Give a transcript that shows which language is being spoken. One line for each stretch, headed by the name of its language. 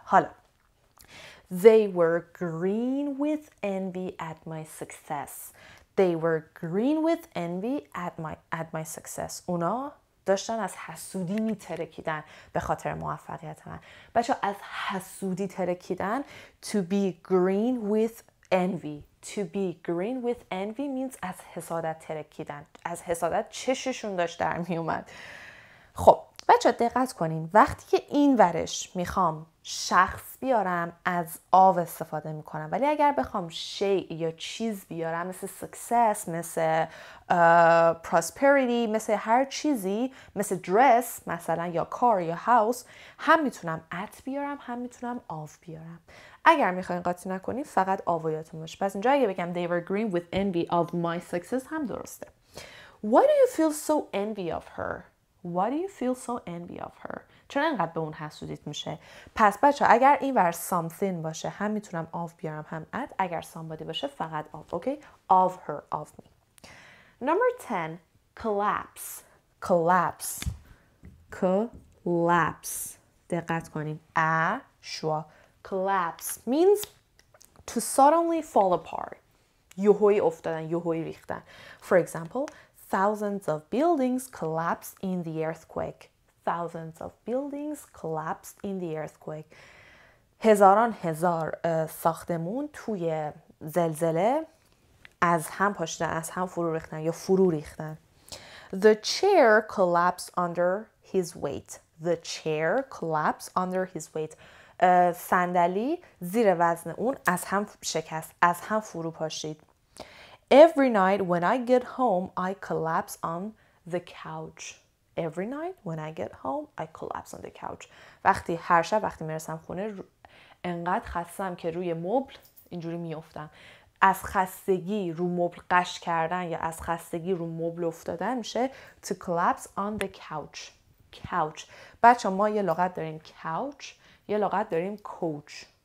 English: حالا they were green with envy at my success. They were green with envy at my success.
Persian: اونا داشتن از حسودی میترکیدن به خاطر موفقیت من. بچه ها از حسودی ترکیدن.
English: To be green with envy. To be green with envy means
Persian: از حسادت ترکیدن. از حسادت چششون داشت در می اومد. خب بچه دقت کنین. وقتی که این ورش میخوام شخص بیارم از of استفاده میکنم. ولی اگر بخوام شیء یا چیز بیارم مثل success، مثل prosperity، مثل هر چیزی، مثل dress مثلا یا car یا house، هم میتونم at بیارم هم میتونم of بیارم. اگر میخواین قاطی نکنین فقط آوایاتون باشه. پس اینجا اگه بگم
English: they were green with envy of my success
Persian: هم درسته.
English: Why do you feel so envy of her? Why do you feel so envy of her?
Persian: چرا انقدر به اون حسودیت میشه؟ پس بچه اگر این ور something باشه هم میتونم of بیارم هم at. اگر somebody باشه فقط of.
English: Okay? Of her, of me. Number 10. Collapse. Collapse.
Persian: Collapse. دقت کنین. A-شوا.
English: Collapse means to suddenly fall apart.
Persian: یوهوی افتادن، یوهوی ریختن.
English: For example, thousands of buildings collapsed in the earthquake. Thousands of buildings collapsed in the earthquake.
Persian: هزاران هزار ساختمون توی زلزله از هم پاشیدن، از هم فرو ریختن یا فرو ریختن.
English: The chair collapsed under his weight. The chair collapsed under his weight.
Persian: صندلی زیر وزن اون از هم شکست، از هم فرو پاشید.
English: Every night when I get home, I collapse on the couch. Every night when I get home, I collapse on the couch.
Persian: وقتی هر شب وقتی میرسم خونه انقدر خستم که روی مبل اینجوری میافتم. از خستگی رو مبل قش کردن یا از خستگی رو مبل افتادن میشه
English: to collapse on the couch.
Persian: Couch. بچه ما یه لغت داریم couch. یه لغت داریم کوچ.